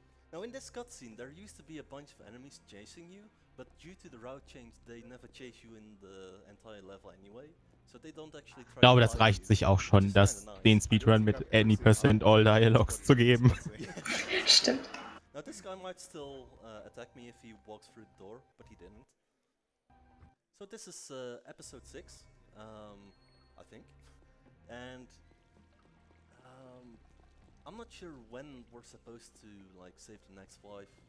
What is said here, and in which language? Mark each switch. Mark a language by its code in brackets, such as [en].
[en] Now in this cutscene, there used to be a bunch of enemies chasing you, but due to the route change, they never chase you in the entire level anyway. [de] Ich glaube, das reicht sich auch schon, das den Speedrun mit Any% percent all Dialogues zu geben. Stimmt. [en] Now this guy might still attack me if he walks through the door, but he didn't. So this is episode 6, I think. And I'm not sure when we're supposed to like save the next wife.